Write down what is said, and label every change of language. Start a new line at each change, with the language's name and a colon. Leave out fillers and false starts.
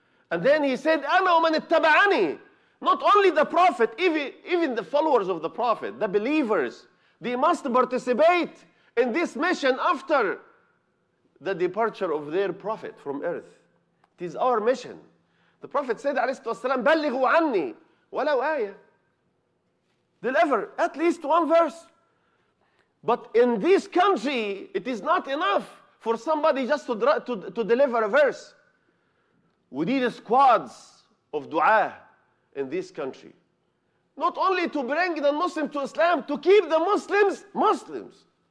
English: And then he said,
Arabic: أَنَا وَمَنِ اتَّبَعَنِي.
English: Not only the Prophet, even the followers of the Prophet, the believers, they must participate in this mission after the departure of their Prophet from earth. It is our mission. The Prophet said,
Arabic: عليه الصلاة والسلام, بَلِّغُوا عَنِّي وَلَوْ آيَةً.
English: Deliver at least one verse. But in this country, it is not enough for somebody just to deliver a verse. We need squads of dua in this country. Not only to bring the Muslim to Islam, to keep the Muslims Muslims.